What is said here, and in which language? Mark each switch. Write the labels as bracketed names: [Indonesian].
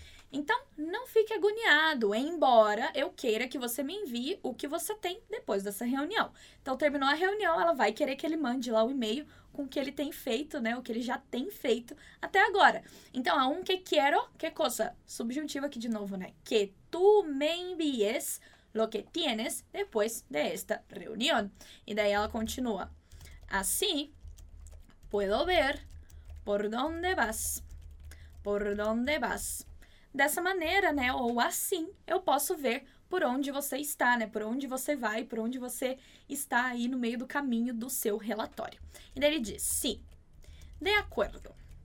[Portuguese] Então, não fique agoniado, embora eu queira que você me envie o que você tem depois dessa reunião. Então, terminou a reunião, ela vai querer que ele mande lá o e-mail com o que ele tem feito, né? O que ele já tem feito até agora. Então, [Spanish] aunque quiero, que cosa? [Portuguese] Subjuntivo aqui de novo, né? [Spanish] Que tu me envies lo que tienes depois de esta reunión. [Portuguese] E daí ela continua. [Spanish] Así, puedo ver por dónde vas. Por dónde vas. [Portuguese] Dessa maneira, né? Ou assim, eu posso ver por onde você está, né? Por onde você vai, por onde você está aí no meio do caminho do seu relatório. E daí ele diz, sim, de acordo.